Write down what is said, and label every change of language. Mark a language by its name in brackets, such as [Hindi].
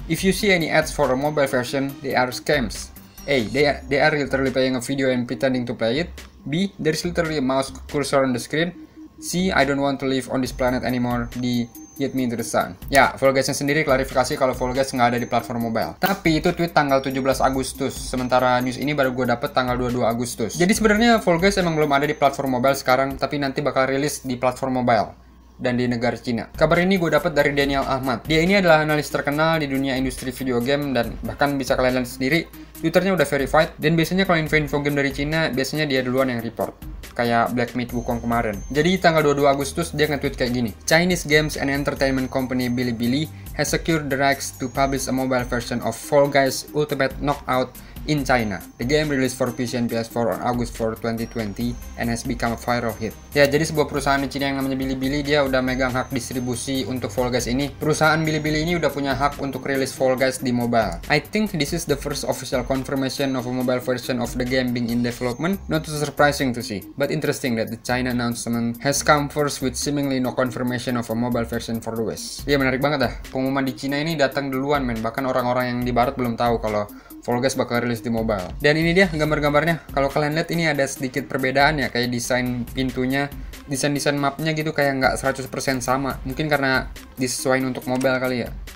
[English] If you see any ads for a mobile version, they are scams. A. They are literally playing a video and pretending to play it. B. There's literally a mouse cursor on the screen. C. I don't want to live on this planet anymore. [Indonesian] D. [English] Get me into the sun. [Indonesian] Ya, Fall Guys-nya sendiri klarifikasi kalau Fall Guys nggak ada di platform mobile. Tapi itu tweet tanggal 17 Agustus. Sementara news ini baru gue dapet tanggal 22 Agustus. Jadi sebenarnya Fall Guys emang belum ada di platform mobile sekarang, tapi nanti bakal rilis di platform mobile dan di negara Cina. Kabar ini gue dapet dari Daniel Ahmad. Dia ini adalah analis terkenal di dunia industri video game, dan bahkan bisa kalian lihat sendiri, Twitternya udah verified. Dan biasanya kalau info-info game dari Cina, biasanya dia duluan yang report, kayak Black Myth Wukong kemarin. Jadi tanggal 22 Agustus dia nge-tweet kayak gini: [English] Chinese games and entertainment company Bilibili has secured the rights to publish a mobile version of Fall Guys Ultimate Knockout in China. The game released for PC and PS4 on August 4, 2020 and has become a viral hit. [Indonesian] Ya, jadi sebuah perusahaan di Cina yang namanya Bilibili, dia udah megang hak distribusi untuk Fall Guys ini. Perusahaan Bilibili ini udah punya hak untuk rilis Fall Guys di mobile. [English] I think this is the first official confirmation of a mobile version of the game being in development. Not too surprising to see, but interesting that the China announcement has come first with seemingly no confirmation of a mobile version for the West. [Indonesian] Ya, menarik banget dah. Pengumuman di Cina ini datang duluan, men. Bahkan orang-orang yang di barat belum tahu kalau Fall Guys bakal rilis di mobile. Dan ini dia gambar-gambarnya. Kalau kalian lihat ini ada sedikit perbedaan ya, kayak desain pintunya, desain-desain mapnya gitu, kayak nggak 100% sama. Mungkin karena disesuaikan untuk mobile kali ya.